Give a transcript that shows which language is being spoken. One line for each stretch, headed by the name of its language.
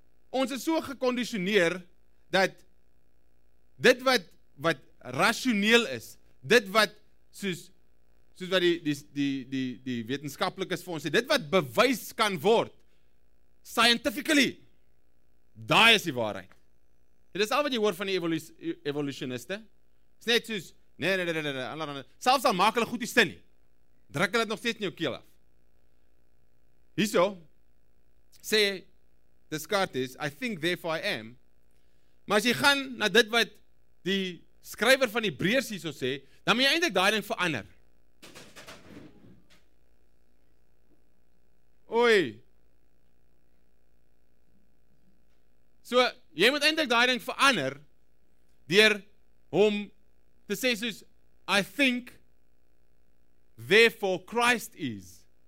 Afrikaans: Ons is so gekondisioneer, dat dit wat rationeel is, dit wat soos wat die wetenskaplikes vir ons sê, dit wat bewys kan word scientifically, daai is die waarheid. Dit is al wat jy hoor van die evolutioniste. Dit is net soos nee, selfs al maak hulle goed die sin nie, druk hulle dit nog steeds in jou keel af. Hierso sê Descartes,
English: I think therefore I am.
Afrikaans: Maar as jy gaan na dit wat die skrywer van Hebreërs hierso sê, dan moet jy eintlik daai ding verander. Oei. So, jy moet eintlik daai ding verander deur hom te sê soos
English: I think therefore Christ is.